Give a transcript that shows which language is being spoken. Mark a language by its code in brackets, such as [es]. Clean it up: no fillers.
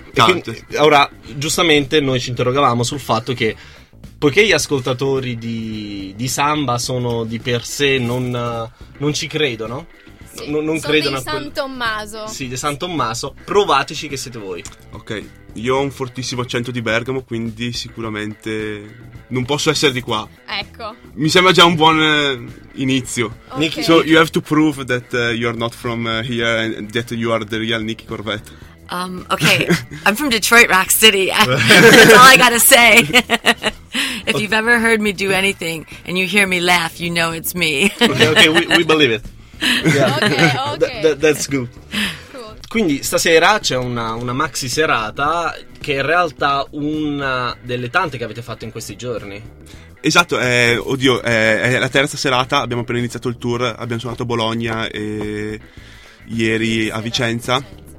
[it] Quindi, ora, giustamente noi ci interrogavamo sul fatto che, poiché gli ascoltatori di Samba sono di per sé non ci credono. Sì, non credono di San Tommaso. Sì, di San Tommaso. Provateci che siete voi. Ok, io ho un fortissimo accento di Bergamo, quindi sicuramente non posso essere di qua. Ecco. Mi sembra già un buon inizio. Nicky. [en] So you have to prove that you are not from here and that you are the real Nicky Corvette. Okay, I'm from Detroit Rock City. That's all I gotta say. If you've ever heard me do anything and you hear me laugh, you know it's me. Okay, we believe it. Yeah. Okay, okay. That's good. Cool. [it] Quindi stasera c'è una maxi serata che è in realtà una delle tante che avete fatto in questi giorni. Esatto, è la terza serata, abbiamo appena iniziato il tour, abbiamo suonato a Bologna e ieri a Vicenza.